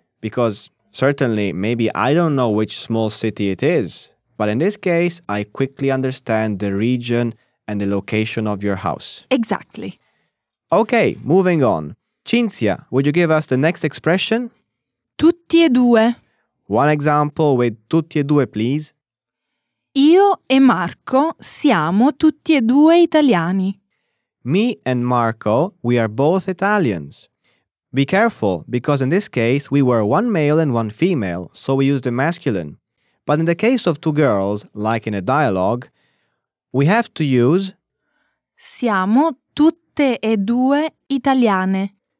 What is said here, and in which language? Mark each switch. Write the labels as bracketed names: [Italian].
[English] Because certainly, maybe I don't know which small city it is, but in this case, I quickly understand the region and the location of your house. Exactly. Okay, moving on. Cinzia, would you give us the next expression? [Italian] Tutti e due. [English] One example with [Italian] tutti e due, [English] please. [Italian] Io e Marco siamo tutti e due italiani. [English] Me and Marco, we are both Italians. Be careful, because in this case, we were one male and one female, so we used the masculine. But in the case of two girls, like in a dialogue, we have to use [Italian] siamo tutte e due italiane.